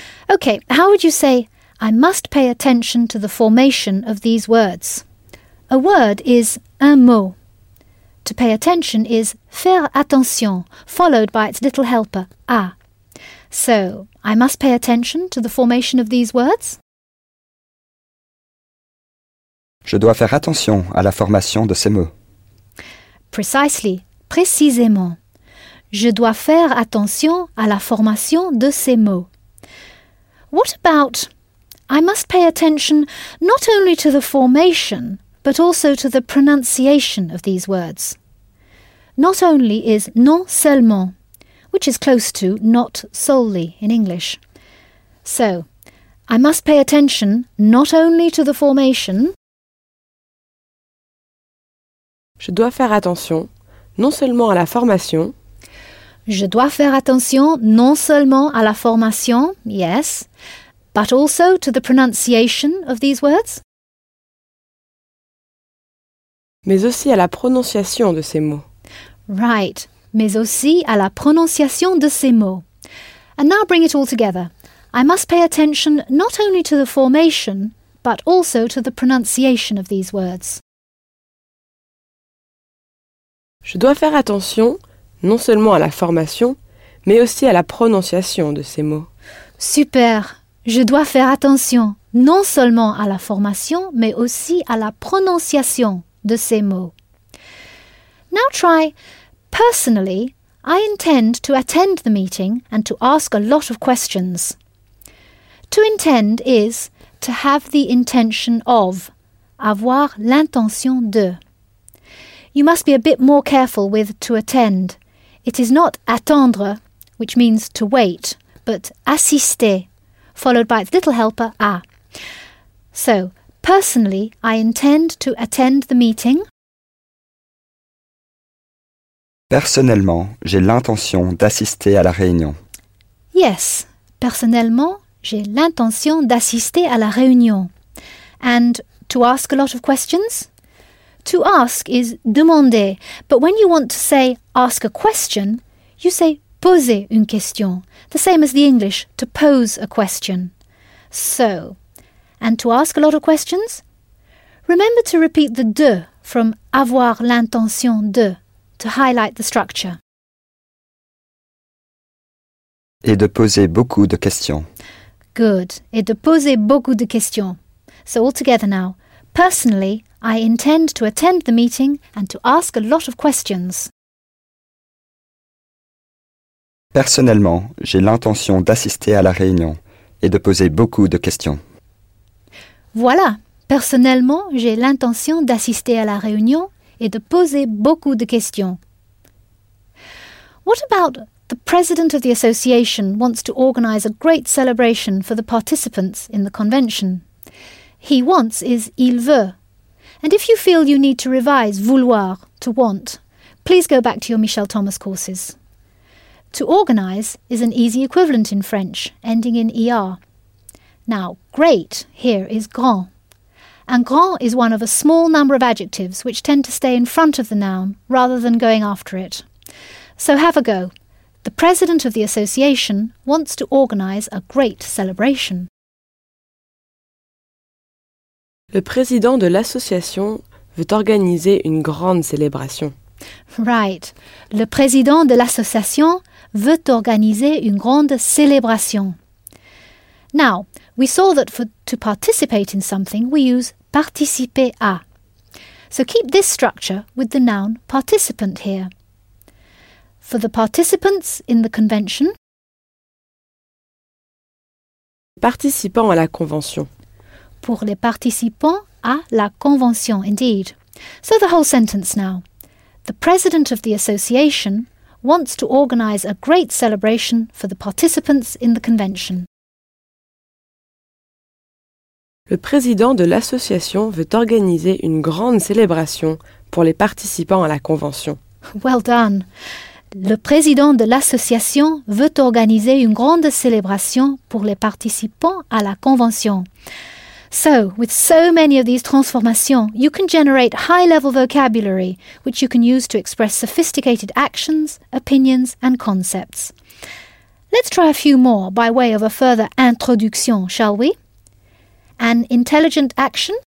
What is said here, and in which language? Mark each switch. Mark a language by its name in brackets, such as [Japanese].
[English] Okay, how would you say, I must pay attention to the formation of these words? A word is [French] un mot. [English] To pay attention is [French] faire attention, [English] followed by its little helper, à. So, I must pay attention to the formation of these words? [French] Je dois faire attention à la formation de ces mots. [English] Precisely, [French] précisément. Je dois faire attention à la formation de ces mots. [English] What about I must pay attention not only to the formation, but also to the pronunciation of these words? Not only is [French] non seulement, [English] which is close to not solely in English. So, I must pay attention not only to the formation. [French] Je dois faire attention non seulement à la formation. Je dois faire attention non seulement à la formation, [English] yes, but also to the pronunciation of these words. [French] Mais aussi à la prononciation de ces mots. [English] Right, [French] mais aussi à la prononciation de ces mots. [English] And now bring it all together. I must pay attention not only to the formation, but also to the pronunciation of these words. [French] Je dois faire attention non seulement à la formation, mais aussi à la prononciation de ces mots. Super! Je dois faire attention non seulement à la formation, mais aussi à la prononciation de ces mots. [English] Now try. Personally, I intend to attend the meeting and to ask a lot of questions. To intend is to have the intention of, [French] avoir l'intention de. [English] You must be a bit more careful with to attend. It is not attendre, which means to wait, but assister, followed by its little helper, à. So, personally, I intend to attend the meeting. [French] Personnellement, j'ai l'intention d'assister à la réunion. [English] Yes, [French] personnellement, j'ai l'intention d'assister à la réunion. [English] And to ask a lot of questions? To ask is demander, but when you want to say ask a question, you say [French] poser une question, [English] the same as the English, to pose a question. So, and to ask a lot of questions? Remember to repeat the de from [French] avoir l'intention de, [English] to highlight the structure. [French] Et de poser beaucoup de questions. [English] Good. [French] Et de poser beaucoup de questions. [English] So, all together now. Personally, I intend to attend the meeting and to ask a lot of questions. [French] Personnellement, j'ai l'intention d'assister à la réunion et de poser beaucoup de questions. Voilà. Personnellement, j'ai l'intention d'assister à la réunion et de poser beaucoup de questions. [English] What about the president of the association wants to organize a great celebration for the participants in the convention? He wants is [French] il veut. [English] And if you feel you need to revise vouloir to want, please go back to your Michel Thomas courses. To organise is an easy equivalent in French, ending in er. Now, great here is grand. And grand is one of a small number of adjectives which tend to stay in front of the noun rather than going after it. So have a go. The president of the association wants to organise a great celebration. [French] Le président de l'association veut organiser une grande célébration. [English] Right. [French] Le président de l'association veut organiser une grande célébration. [English] Now, we saw that for to participate in something, we use participer à. So keep this structure with the noun participant here. For the participants in the convention. [French] Participants à la convention. Pour les participants à la convention, indeed. [English] So the whole sentence now. The president of the association wants to organise a great celebration for the participants in the convention. [French] Le président de l'association veut organiser une grande célébration pour les participants à la convention. [English] Well done. [French] Le président de l'association veut organiser une grande célébration pour les participants à la convention. [English] So, with so many of these transformations, you can generate high-level vocabulary, which you can use to express sophisticated actions, opinions, and concepts. Let's try a few more by way of a further introduction, shall we? An intelligent action?